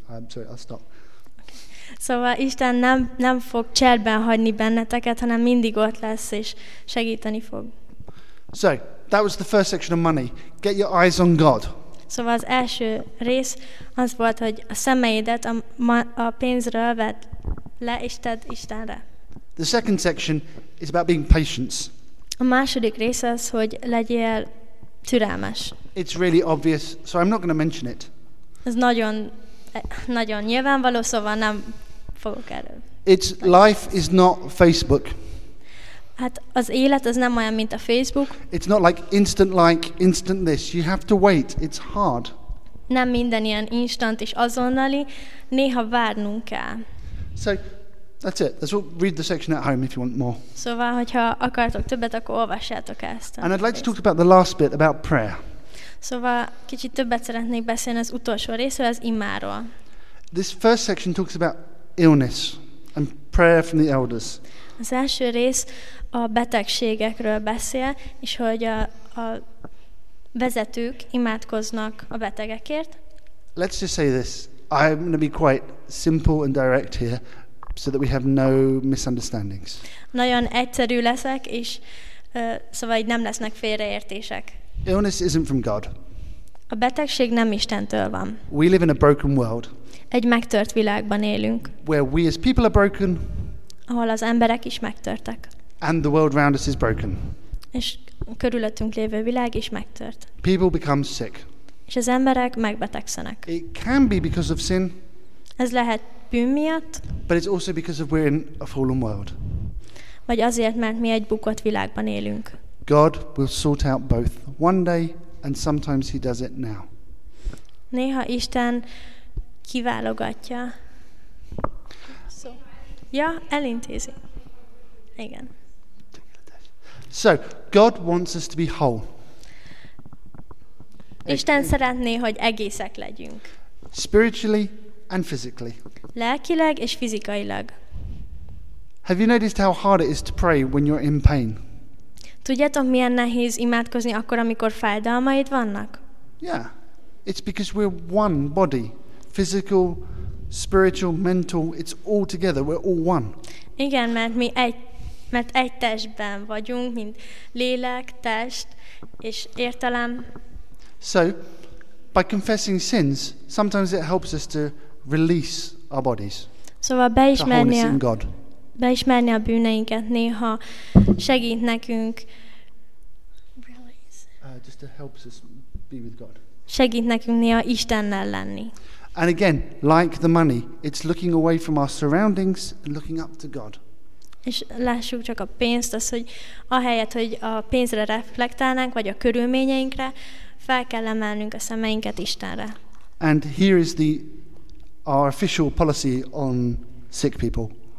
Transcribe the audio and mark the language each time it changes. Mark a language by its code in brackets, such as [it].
[en] I'm sorry, I'll stop. [hu] Szóval Isten nem fog cserben hagyni benneteket, hanem mindig ott lesz és segíteni fog. [en] So, that was the first section of money. Get your eyes on God. [hu] Szóval az első rész az volt, hogy a szemeidet a pénzről vedd le és tedd Istenre. [en] The second section is about being patient. [hu] A második rész az, hogy legyél türelmes. [en] It's really obvious, so I'm not going to mention it. [hu] Ez nagyon nagyon nyilvánvaló, szóval nem fogok erről. [en] It's life is not Facebook. [hu] Hát az élet az nem olyan, mint a Facebook. [en] It's not like, instant this. You have to wait. It's hard. [hu] Nem minden ilyen instant és azonnali. Néha várnunk kell. [en] So, that's it. That's all. Read the section at home if you want more. [hu] Szóval, hogyha akartok többet, akkor olvassátok ezt. [en] And I'd like to talk about the last bit, about prayer. [hu] Szóval kicsit többet szeretnék beszélni az utolsó részről, az imáról. [en] This first section talks about illness and prayer from the elders. [hu] Az első rész a betegségekről beszél, és hogy a vezetők imádkoznak a betegekért. [en] Let's just say this. I'm going to be quite simple and direct here, so that we have no misunderstandings. [hu] Nagyon egyszerű leszek, és szóval így nem lesznek félreértések. [en] Illness isn't from God. [hu] A betegség nem Istentől van. [en] We live in a broken world. [hu] Egy megtört világban élünk. [en] Where we as people are broken. [hu] Ahol az emberek is megtörtek. [en] And the world around us is broken. [hu] És körülöttünk lévő világ is megtört. [en] People become sick. [hu] És az emberek megbetegszenek. [en] It can be because of sin. [hu] Ez lehet bűn miatt. [en] But it's also because of we're in a fallen world. [hu] Vagy azért, mert mi egy bukott világban élünk. [en] God will sort out both one day, and sometimes he does it now. [hu] Néha Isten kiválogatja. Ja, elintézi. Igen. [en] So, God wants us to be whole. [hu] Isten szeretné, hogy egészek legyünk. [en] Spiritually and physically. [hu] Lelkileg és fizikailag. [en] Have you noticed how hard it is to pray when you're in pain? [hu] Tudjátok, milyen nehéz imádkozni akkor, amikor fájdalmaid vannak? [en] Yeah. It's because we're one body. Physical, spiritual, mental, it's all together. We're all one. [hu] Igen, mert mi egy testben vagyunk, mint lélek, test és értelem. [en] So, by confessing sins, sometimes it helps us to release our bodies. [hu] Szóval beismerni a bűneinket néha segít nekünk. [en] Just helps us be with God. [hu] Segít nekünk néha Istennel lenni. [en] And again, like the money, it's looking away from our surroundings and looking up to God. [hu] És lássuk csak a pénzt, az, hogy ahelyett, hogy a pénzre reflektálnánk, vagy a körülményeinkre, fel kell emelnünk a szemeinket Istenre. [en] And here is the our official policy on sick people.